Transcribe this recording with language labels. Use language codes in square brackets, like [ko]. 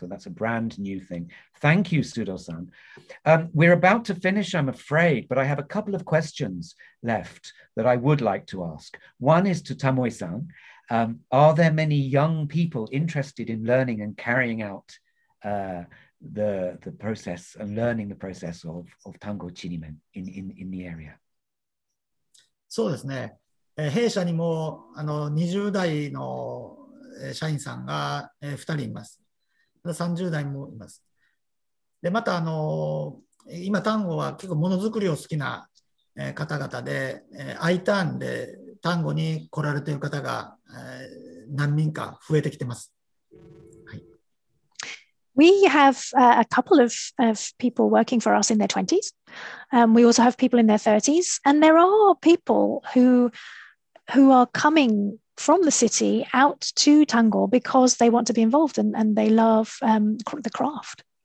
[en] So that's a brand new thing. Thank you, Sudo-san. We're about to finish, I'm afraid, but I have a couple of questions left that I would like to ask. One is to Tamoi-san. Are there many young people interested in learning and carrying out the process and learning the process of Tango Chirimen in the area? [ja] そうですね、弊社にも20代の社員さんが2人います。 30代もいます。でまた今タンゴは結構ものづくりを好きな方々で、Iターンでタンゴに来られている方が何人か増えてきてます。 [en] We have a couple of people working for us in their 20s. We also have people in their 30s. And there are people who are coming from the city out to Tango because they want to be involved and they love the craft.